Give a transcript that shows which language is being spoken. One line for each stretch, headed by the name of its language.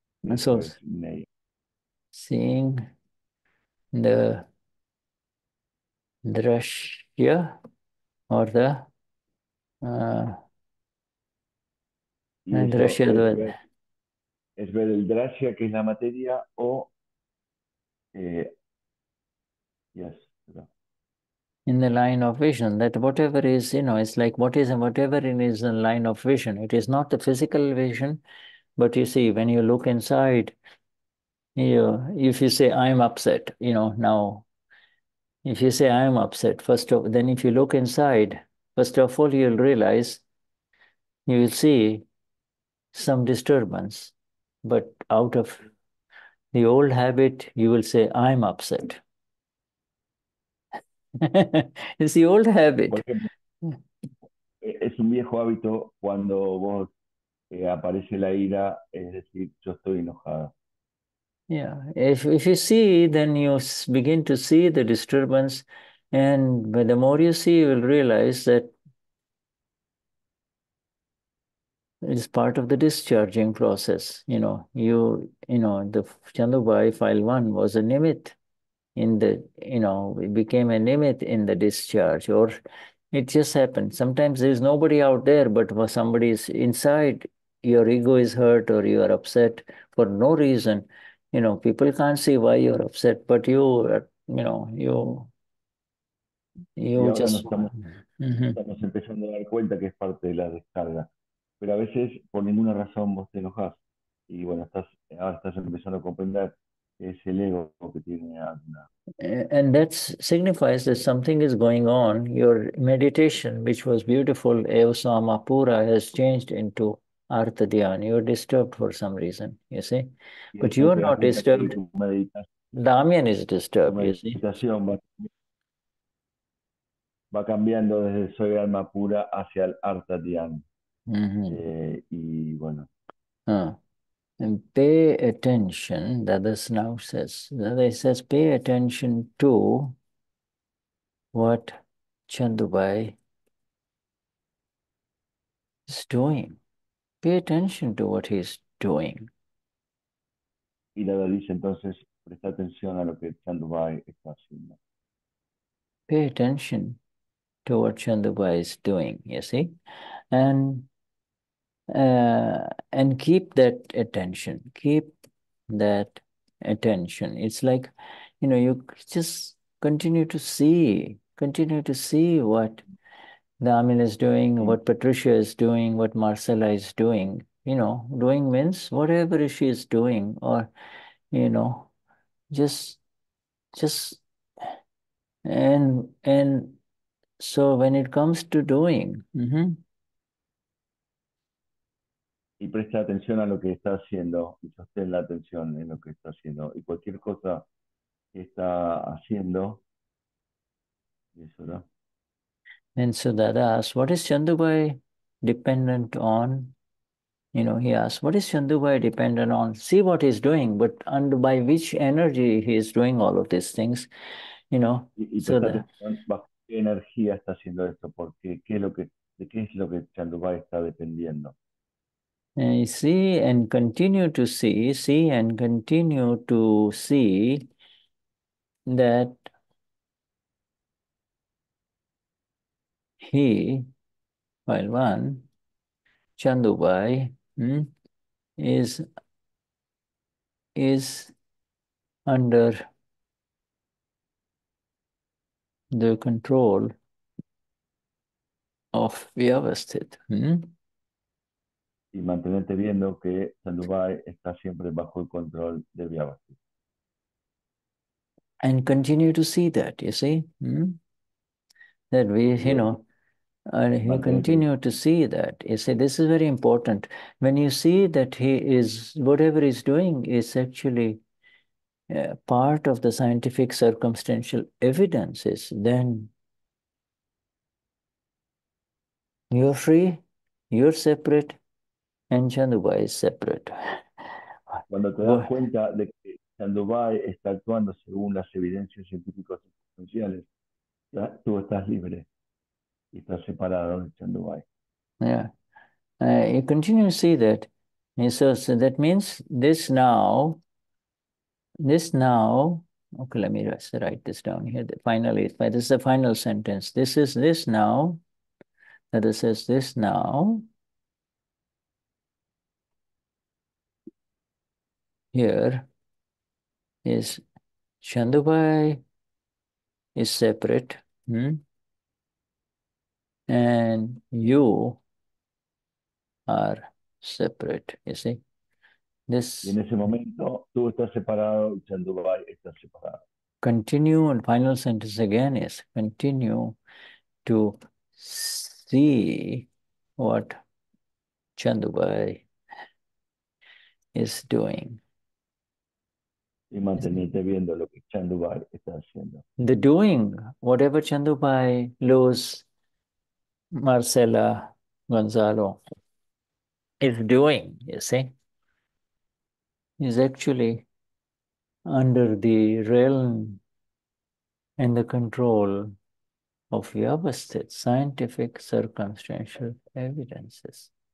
Spanish: Eso es gneya.
English: Seeing the drashya or the
Spanish: es ver el drashya, que es la materia, o yes,
English: in the line of vision, that whatever is, you know, it's like what is and whatever is in line of vision. It is not the physical vision, but you see, when you look inside, you if you say I'm upset, you know, now if you say I'm upset, first of then if you look inside, first of all you'll realize you will see some disturbance, but out of the old habit, you will say, I'm upset. It's the old habit.
Spanish: Es un viejo hábito cuando vos aparece la ira, es decir, yo estoy enojado.
English: Yeah, if you see, then you begin to see the disturbance, and by the more you see, you will realize that it's part of the discharging process. You know, the Chandubai file 1 was a nimit. in the, you know, it became a nimit in the discharge, or it just happened. Sometimes there's nobody out there, but when somebody's inside, your ego is hurt or you are upset for no reason. You know, people can't see why you're upset, but you, you know, you just...
Spanish: Estamos empezando a dar cuenta que es parte de la descarga. Pero a veces, por ninguna razón, vos te enojas. Y bueno, ahora estás empezando a comprender que es el ego que tiene alma.
English: And that signifies that something is going on. Your meditation, which was beautiful, Eosama Pura, has changed into Artha Dhyan. You're disturbed for some reason, you see. But you're not disturbed. Damian is disturbed, you see.
Spanish: Meditación va cambiando desde soy alma pura hacia el Artha Dhyan. Mm-hmm. Y bueno.
English: And pay attention, Dadas now says. Dadas says, pay attention to what Chandubai is doing. Pay attention to what he's doing.
Spanish: Y Dadas dice entonces, presta atención a lo que Chandubai está haciendo.
English: Pay attention to what Chandubai is doing, you see? And keep that attention. It's like, you know, you just continue to see what Damian is doing, what Patricia is doing, what Marcella is doing. You know, doing means whatever she is doing, or, you know, just and so when it comes to doing,
Spanish: Y presta atención a lo que está haciendo y sostén la atención en lo que está haciendo. Y cualquier cosa que está haciendo, eso, ¿no?
English: And so Dada asks, what is Chandubai dependent on? You know, he asks, what is Chandubai dependent on? See what he's doing, but and by which energy he is doing all of these things, you know.
Spanish: Bajo qué energía está haciendo esto, porque qué es lo que Chandubai está dependiendo.
English: See and continue to see that he, while one, Chandubai, is under the control of Vyavasthit.
Spanish: Y mantenerte viendo que Chandubai está siempre bajo el control de Vyavasthit.
English: And continue to see that, you see? That we, you know, and he continue to see that. You see, this is very important. When you see that he is, whatever he's doing is actually part of the scientific circumstantial evidences, then you're free, you're separate, and Chandubai is separate.
Spanish: Cuando te das cuenta de que Chandubai está actuando según las evidencias científicas esenciales, ya tú estás libre y estás separado de Chandubai.
English: You continue to see that. And so that means this now, okay, let me just write this down here. Finally, this is the final sentence. This is this now, that it says this now. Here is Chandubai is separate, and you are separate, you see. This,
Spanish: y en ese momento, tú estás separado, Chandubai está separado.
English: Continue, and final sentence again is, continue to see what Chandubai is doing.
Spanish: Y mantenerte viendo lo que Chandubai está haciendo.
English: The doing, whatever Chandubai, Luz, Marcela, Gonzalo is doing, you see, is actually under the realm and the control of Vyavasthit, scientific circumstantial evidences.